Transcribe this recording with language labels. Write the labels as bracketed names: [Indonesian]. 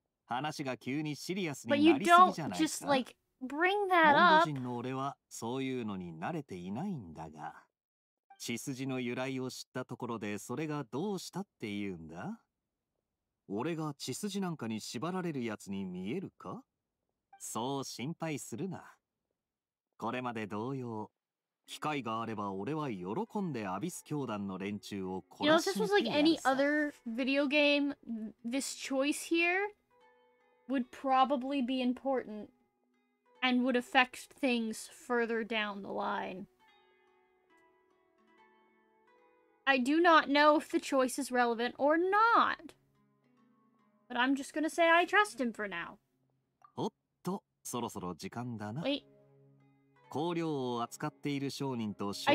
[Japanese] 話が急にシリアスになりすぎじゃないか。 [English] But you don't just like bring that up. モンド [Japanese] 人の俺はそういうのに慣れていないんだが、血筋の由来を知ったところでそれがどうしたっていうんだ？俺が血筋なんかに縛られるやつに見えるか？そう心配するな。これまで同様、機会があれば俺は喜んでアビス教団の連中を殺しに行くやつ。 [English] You know, this was like any other video game, this choice here would probably be important and would affect things further down the line. I do not know if the choice is relevant or not, but I'm just gonna say I trust him for now. [Japanese] おっと、そろそろ時間だな。 [English] Wait. [Japanese] 香料を扱っている商人と商談